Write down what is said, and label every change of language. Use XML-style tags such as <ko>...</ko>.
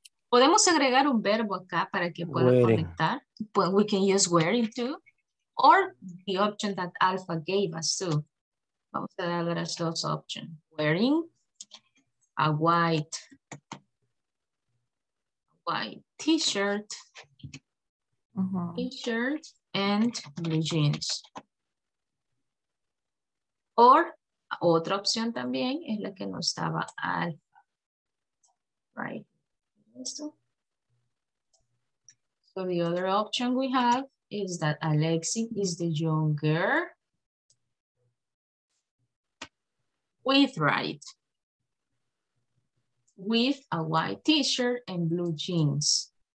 <es>Podemos agregar un verbo acá para que pueda conectar.</es> <en>We can use wearing too. Or the option that Alpha gave us too.</en> <es>Vamos a dar las dos opciones.</es> <en>Wearing a white t-shirt, t-shirt and blue jeans.</en> <es>Or otra opción también es la que nos daba Alpha. Right. ¿Listo?</es> <en>So the other option we have is that Alexi is the young girl with right, with a white t-shirt and blue jeans.</en>